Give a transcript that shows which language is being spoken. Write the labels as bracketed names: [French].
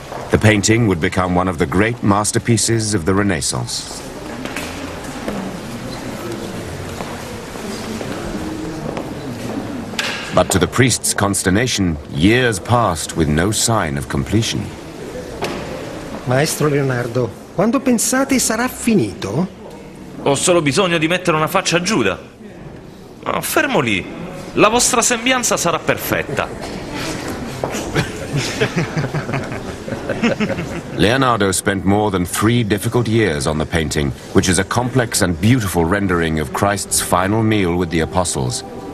[English] The painting would become one of the great masterpieces of the Renaissance. But to the priest's consternation, years passed with no sign of completion. [Italian] Maestro Leonardo, quando pensate sarà finito? Ho solo bisogno di mettere una faccia a Giuda. Ma fermo lì, la vostra sembianza sarà perfetta. [English] Leonardo spent more than three difficult years on the painting, which is a complex and beautiful rendering of Christ's final meal with the apostles.